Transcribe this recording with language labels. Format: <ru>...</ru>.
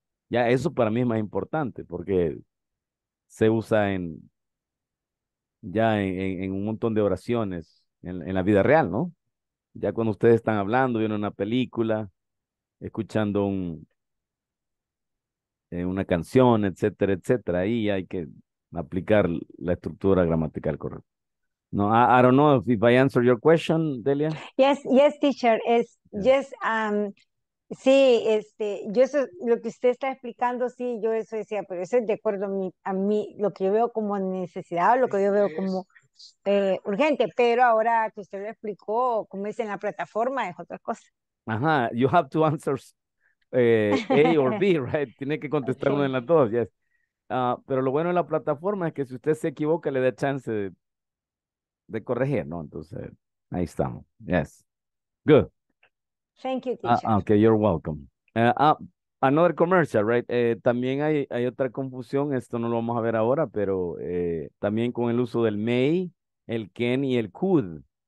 <es>Ya, eso para mí es más importante porque se usa en un montón de oraciones en la vida real, ¿no? Ya cuando ustedes están hablando, viendo una película, escuchando una canción, etcétera, etcétera, ahí hay que aplicar la estructura gramatical correcta.</es> <en>No, I don't know if I answered your question, Delia. Yes, teacher. Es Yeah.</en> <es>yes, sí, yo eso, lo que usted está explicando, sí, yo eso decía, pero eso es de acuerdo a mí, lo que yo veo como necesidad, lo que yo veo como urgente, pero ahora que usted lo explicó, como dice en la plataforma, es otra cosa.</es> <en>Ajá, you have to answer A or B, right?</en> <es>Tiene que contestar una de Sí. las dos, yes. Pero lo bueno de la plataforma es que si usted se equivoca, le da chance de corregir, ¿no? Entonces, ahí estamos.</es> <en>Yes. Good. Thank you, Ah, teacher. okay, you're welcome. Another commercial, right?</en> <es>También hay otra confusión, esto no lo vamos a ver ahora, pero también con el uso del may, el can y el could.</es>